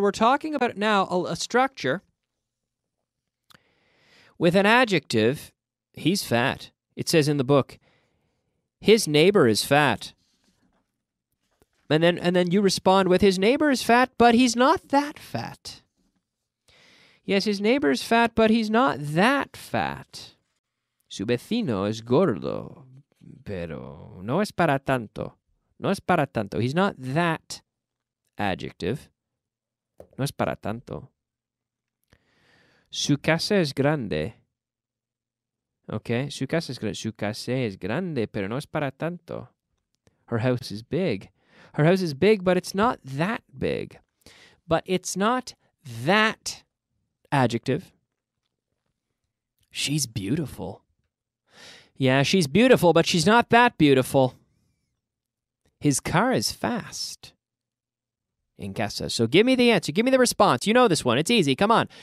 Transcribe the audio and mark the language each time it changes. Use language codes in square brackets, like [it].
[en] We're talking about now a structure with an adjective. He's fat. It says in the book, his neighbor is fat. And then you respond with, his neighbor is fat, but he's not that fat. Yes, his neighbor is fat, but he's not that fat. [es] Su vecino es gordo, pero no es para tanto. No es para tanto. [en] He's not that adjective. [es] No es para tanto. Su casa es grande. Okay, su casa es grande. Su casa es grande, pero no es para tanto. [en] Her house is big. Her house is big, but it's not that big. But it's not that adjective. She's beautiful. Yeah, she's beautiful, but she's not that beautiful. His car is fast. [es] En casa. [en] So give me the answer. Give me the response. You know this one. It's easy. Come on.